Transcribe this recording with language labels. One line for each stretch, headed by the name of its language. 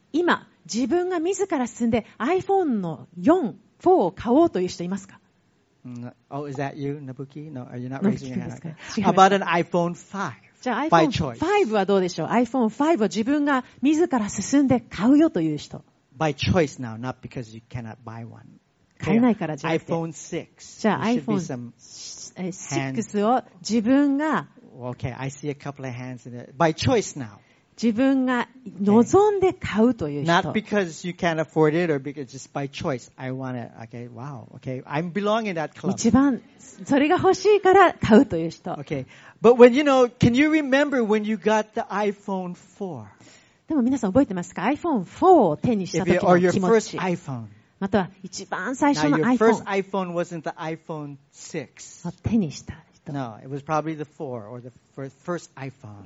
Japanese: 今、自分が自ら進んで iPhone の4、4を買おうという人いますか?
English: Oh, is that you, Nabuki? No, are you not raising your hand? About an iPhone 5.
Japanese: じゃあ iPhone5 はどうでしょう。iPhone5 は自分が自ら進んで買うよという人。
English: By choice now, not because you cannot buy one.
Japanese: 買えないからじゃなくて。
English: iPhone 6.
Japanese: じゃあ iPhone 6を自分が。
English: Okay, I see a couple of hands in it. By choice now.
Japanese: 自分が望んで買うという人。
English: Not because you can't afford it or because just by choice. I want it. Okay, wow. Okay, I'm belonging that club.
Japanese: 一番それが欲しいから買うという人。
English: Okay. But when you know, can you remember when you got the iPhone 4?
Japanese: でも皆さん覚えてますか ?iPhone 4を手にした時の気持ち。
English: Or your first iPhone.
Japanese: または一番最初の iPhone。
English: Now, your first iPhone wasn't the iPhone 6.
Japanese: 手にした。
English: No, it was probably the 4 or the first iPhone.